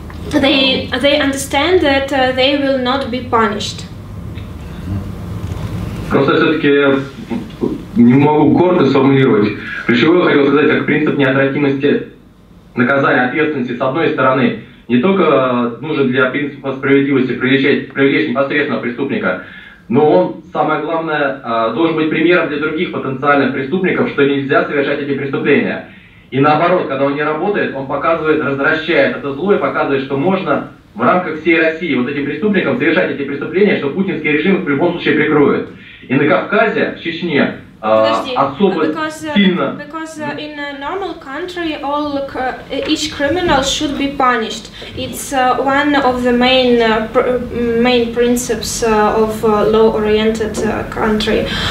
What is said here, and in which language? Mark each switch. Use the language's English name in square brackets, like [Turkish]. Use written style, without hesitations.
[English] They understand that they will not be punished. [Russian] Просто все-таки я не могу гордо сформулировать. Ключевое хотел сказать, как принцип неотвратимости наказания, ответственности, с одной стороны, не только нужен для принципа справедливости привлечь непосредственно преступника, но он, самое главное, должен быть примером для других потенциальных преступников, что нельзя совершать эти преступления. И наоборот, когда он не работает, он показывает, развращает это зло и показывает, что можно в рамках всей России вот этим преступникам совершать эти преступления, что путинский режим их в любом случае прикроет. [English] In the Caucasia, Chechnya, because in a normal country, all each criminal should be punished. It's one of the main principles of law-oriented country.